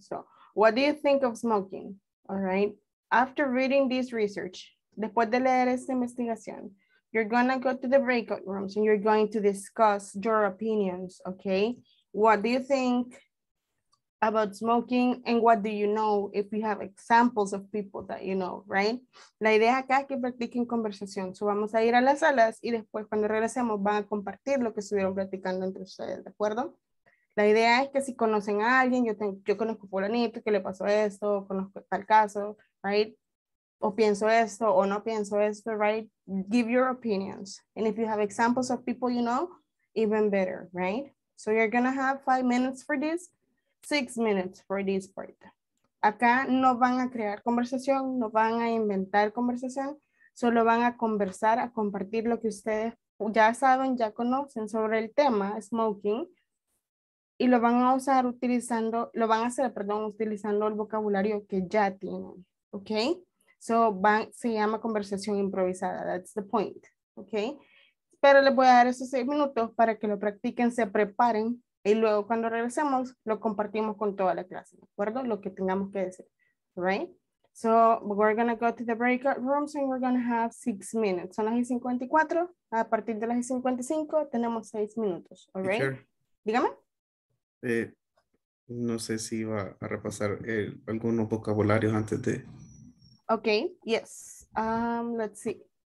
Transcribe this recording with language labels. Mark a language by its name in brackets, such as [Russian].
[English] So what do you think of smoking? All right, after reading this research, [Spanish] después de leer esta investigación, [English] you're gonna go to the breakout rooms and you're going to discuss your opinions, okay? What do you think about smoking and what do you know if you have examples of people that you know, right? [Spanish] La idea acá es que practiquen conversación. So vamos a ir a las salas y después cuando regresemos van a compartir lo que estuvieron platicando entre ustedes, ¿de acuerdo? La idea es que si conocen a alguien, yo conozco a fulanito, que le pasó esto, conozco tal caso, [English] right? [Spanish] O pienso esto, o no pienso esto, [English] right? Give your opinions. And if you have examples of people you know, even better, right? So you're gonna have 5 minutes for this, 6 minutes for this part. [Spanish] Acá no van a crear conversación, no van a inventar conversación, solo van a conversar, a compartir lo que ustedes ya saben, ya conocen sobre el tema, smoking. Y lo van a usar utilizando, lo van a hacer, perdón, utilizando el vocabulario que ya tienen, ¿ok? So, van, se llama conversación improvisada, [English] that's the point, [Spanish] ¿ok? Pero les voy a dar esos 6 minutos para que lo practiquen, se preparen, y luego cuando regresemos, lo compartimos con toda la clase, ¿de acuerdo? Lo que tengamos que decir, [English] ¿right? So, we're gonna go to the breakout rooms and we're gonna have 6 minutes. [Spanish] Son las 54, a partir de las 55 tenemos 6 minutos, [English] ¿alright? Sure. [Spanish] Dígame. No sé si iba a repasar algunos vocabularios antes de. [English] Okay, yes. Let's see.